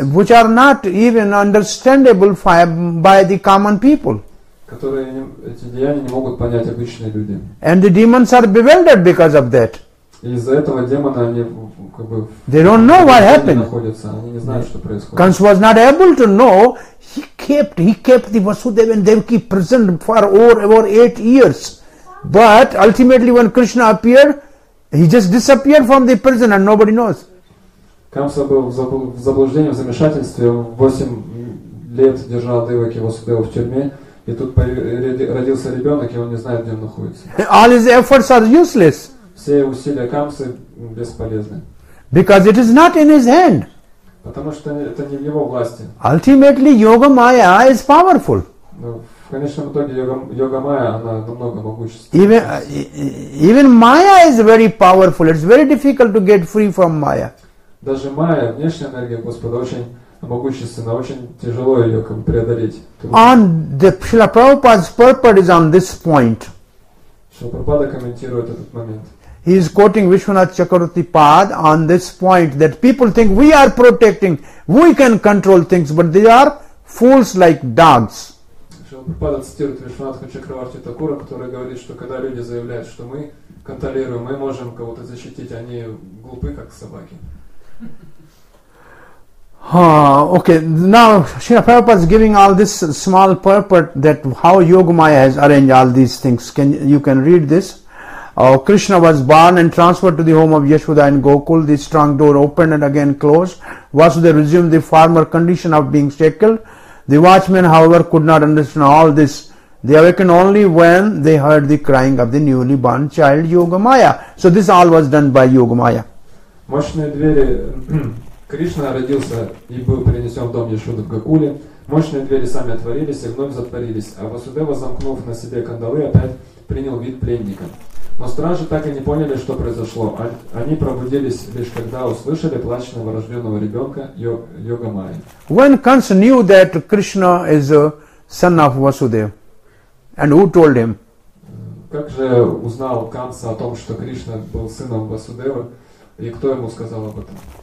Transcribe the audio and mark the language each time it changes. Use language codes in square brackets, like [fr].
[en] Which are not even understandable by the common people. [ru] Которые эти деяния не могут понять обычные люди. [en] And the demons are bewildered because of that. [ru] Из-за этого демоны, они как бы... [en] They don't know what happened. [ru] Находятся, они не знают, что происходит. [en] Kansa was not able to know. He kept the Vasudeva and Devaki present for over 8 years. But ultimately when Krishna appeared, he just disappeared from the prison and nobody knows. [ru] Kamsa был в заблуждении, в замешательстве. 8 лет держал Деваки Васудева в тюрьме. И тут родился ребенок, и он не знает, где он находится. [en] All his efforts are useless. [ru] Все усилия Камсы бесполезны. [en] Because it is not in his hand. [ru] Потому что это не в его власти. [en] Ultimately, Yoga Maya is powerful. [ru] В конечном итоге Yoga Maya, она намного могущественна. [en] Even Maya is very powerful. It's very difficult to get free from Maya. [ru] Даже Maya, внешняя энергия Господа, очень могущественна, очень тяжело ее как бы преодолеть. [en] On the Srila Prabhupada's purport is on this point. [ru] Srila Prabhupada комментирует этот момент. [en] He is quoting Vishwanath Chakravarti Pad on this point that people think we are protecting, we can control things, but they are fools like dogs. [ru] Prabhupada цитирует Вишванатху Чакраварти Такура, который говорит, что когда люди заявляют, что мы контролируем, мы можем кого-то защитить, они глупы, как собаки. [en] Okay, now Srila Prabhupada is giving all this small purport that how Yogamaya has arranged all these things. You can read this. Krishna was born and transferred to the home of Yashoda and Gokul. The strong door opened and again closed. Vasudeva resumed the former condition of being shackled. The watchmen, however, could not understand all this. They awakened only when they heard the crying of the newly born child, Yogamaya. So this all was done by Yogamaya. [ru] Мощные двери... Кришна родился и был перенесен в дом Яшоды в Гокуле. Мощные двери сами отворились и вновь затворились. А Васудева, замкнув на себе кандалы, опять принял вид пленника. Но стражи так и не поняли, что произошло. Они пробудились лишь когда услышали плач новорожденного ребенка Йога Майи. [en] When Kansa knew that Krishna is a son of Vasudeva, and who told him? [ru] Как же узнал Kansa о том, что Кришна был сыном Васудева, и кто ему сказал об этом?